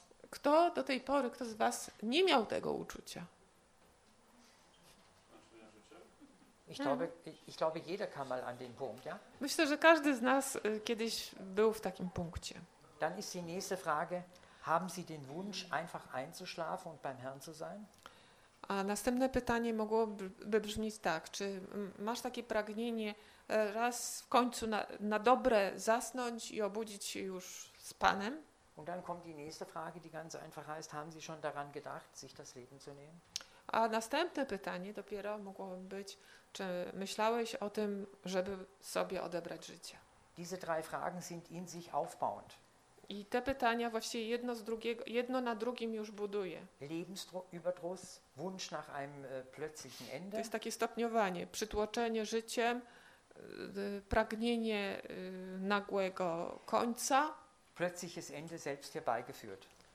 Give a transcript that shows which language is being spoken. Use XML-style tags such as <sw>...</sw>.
<pl>Kto do tej pory, kto z was nie miał tego uczucia?</pl> <de>Ich glaube, jeder kann mal an den Punkt, ja?</de> <pl>Myślę, że każdy z nas kiedyś był w takim punkcie.</pl> <de>Dann ist die nächste Frage. Haben Sie den Wunsch, einfach einzuschlafen und beim Herrn zu sein?</de> <pl>A następne pytanie mogłoby brzmieć tak, czy masz takie pragnienie raz w końcu na dobre zasnąć i obudzić się już z Panem?</pl> <de>Und dann kommt die nächste Frage, die ganz einfach heißt, haben Sie schon daran gedacht, sich das Leben zu nehmen?</de> <pl>A następne pytanie dopiero mogłoby być, czy myślałeś o tym, żeby sobie odebrać życie?</pl> <de>Diese drei Fragen sind in sich aufbauend.</de> <pl>I te pytania właściwie jedno z drugiego, jedno na drugim już buduje.</pl> <de>Lebensüberdruss, Wunsch nach einem plötzlichen Ende.</de> <pl>To jest takie stopniowanie, przytłoczenie życiem, pragnienie nagłego końca.</pl> <de>Plötzliches Ende selbst herbeigeführt.</de>